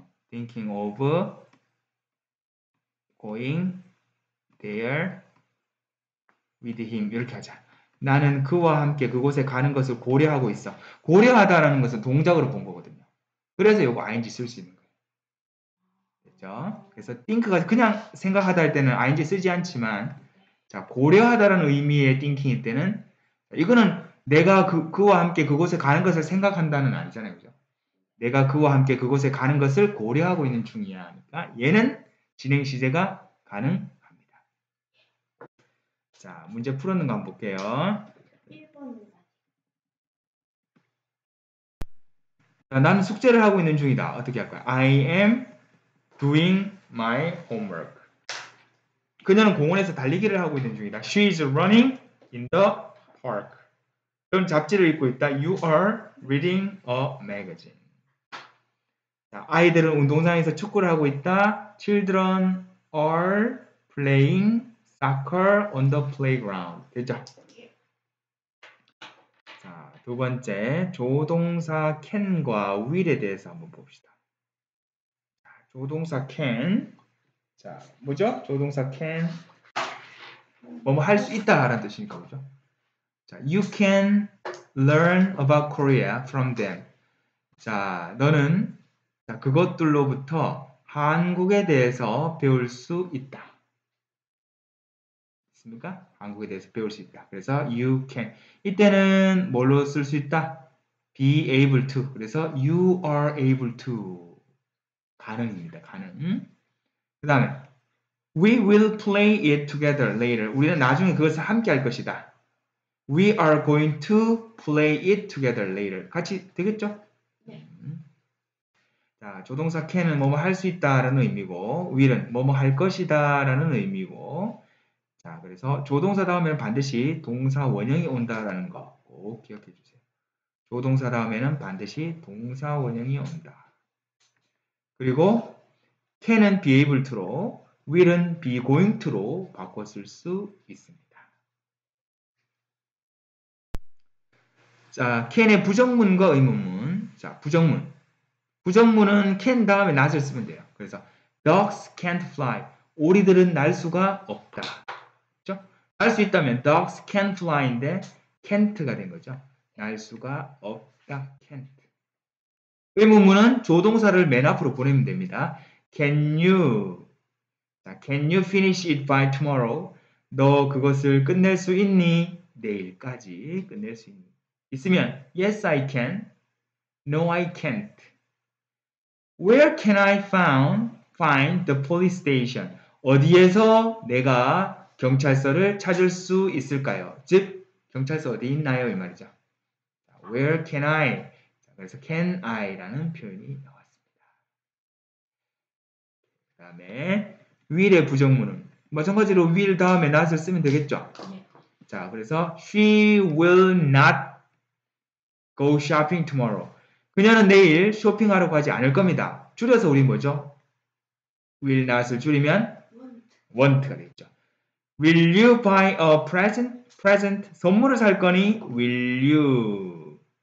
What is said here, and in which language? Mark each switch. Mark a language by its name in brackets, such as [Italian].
[English] 'Thinking of going there with him' [Korean] 이렇게 하자. 나는 그와 함께 그곳에 가는 것을 고려하고 있어. 고려하다라는 것은 동작으로 본 거거든요. 그래서 이거 ing 쓸수 있는 거예요. 그렇죠? 그래서 think가 그냥 생각하다 할 때는 ing 쓰지 않지만, 자, 고려하다라는 의미의 thinking일 때는 이거는 내가 그와 함께 그곳에 가는 것을 생각한다는 아니잖아요, 그죠? 내가 그와 함께 그곳에 가는 것을 고려하고 있는 중이야 하니까 얘는 진행시제가 가능합니다. 자, 문제 풀었는 거 한번 볼게요. 자, 나는 숙제를 하고 있는 중이다. 어떻게 할 거야? [English] I am doing my homework. [Korean] 그녀는 공원에서 달리기를 하고 있는 중이다. [English] She is running in the park. [Korean] 그럼 잡지를 읽고 있다. [English] You are reading a magazine. [Korean] 아이들은 운동장에서 축구를 하고 있다. [English] Children are playing soccer on the playground. [Korean] 됐죠? 자, 두 번째, 조동사 can과 will에 대해서 한번 봅시다. 조동사 can. 자, 뭐죠? 조동사 can. 뭐뭐 할수 있다라는 뜻이니까, 그죠? [English] 자, you can learn about Korea from them. [Korean] 자, 너는 자, 그것들로부터 한국에 대해서 배울 수 있다. 있습니까? 한국에 대해서 배울 수 있다. 그래서 [English] you can. [Korean] 이때는 뭘로 쓸수 있다? [English] be able to. [Korean] 그래서 [English] you are able to. [Korean] 가능입니다. 가능. 그 다음에 [English] we will play it together later. [Korean] 우리는 나중에 그것을 함께 할 것이다. [English] we are going to play it together later. [Korean] 같이 되겠죠? 자, 조동사 can은 뭐뭐 할수 있다라는 의미고, will은 뭐뭐 할 것이다라는 의미고, 자, 그래서 조동사 다음에는 반드시 동사 원형이 온다라는 거꼭 기억해 주세요. 조동사 다음에는 반드시 동사 원형이 온다. 그리고 can은 be able to로, will은 be going to로 바꿔 쓸수 있습니다. 자, 캔의 부정문과 의문문. 자, 부정문. 부정문은 캔 다음에 낫을 쓰면 돼요. 그래서 [English] dogs can't fly. [Korean] 오리들은 날 수가 없다. 그렇죠? 날 수 있다면 [English] dogs can't fly [Korean] 인데 can't가 된 거죠. 날 수가 없다. can't. 의문문은 조동사를 맨 앞으로 보내면 됩니다. [English] Can you? 자, can you finish it by tomorrow? [Korean] 너 그것을 끝낼 수 있니? 내일까지 끝낼 수 있니? 있으면 [English] yes I can. No I can't. Where can I find the police station? [Korean] 어디에서 내가 경찰서를 찾을 수 있을까요? 즉 경찰서 어디 있나요? 이 말이죠. [English] Where can I? [Korean] 그래서 can I라는 표현이 나왔습니다. 그 다음에 will의 부정문은 마찬가지로 will 다음에 not을 쓰면 되겠죠? 자, 그래서 [English] she will not go shopping tomorrow. [Korean] 그녀는 내일 쇼핑하러 가지 않을 겁니다. 줄여서 우리 뭐죠? [English] will not을 [Korean] 줄이면 [English] want가 [Korean] 되겠죠. [English] Will you buy a present? [Korean] present 선물을 살 거니? [English] Will you?